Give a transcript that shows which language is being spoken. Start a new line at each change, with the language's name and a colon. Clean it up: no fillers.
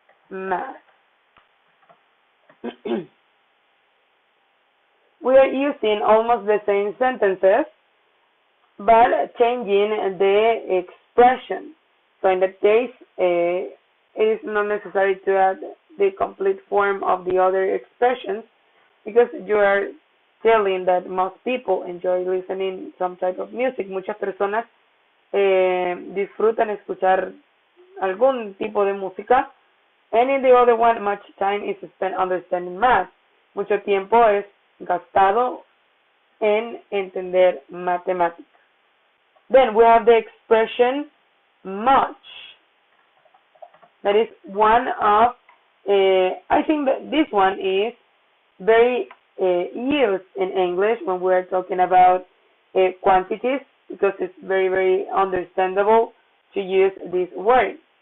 English: math. We are using almost the same sentences, but changing the expression. So in that case, it is not necessary to add the complete form of the other expressions, because you are telling that most people enjoy listening some type of music.
Spanish: Muchas personas disfrutan escuchar algún tipo de música.
English: And in the other one, much time is spent understanding math.
Spanish: Mucho tiempo es gastado en entender matemáticas.
English: Then we have the expression much. That is one of, I think that this one is very used in English when we are talking about quantities, because it's very, very understandable to use this word.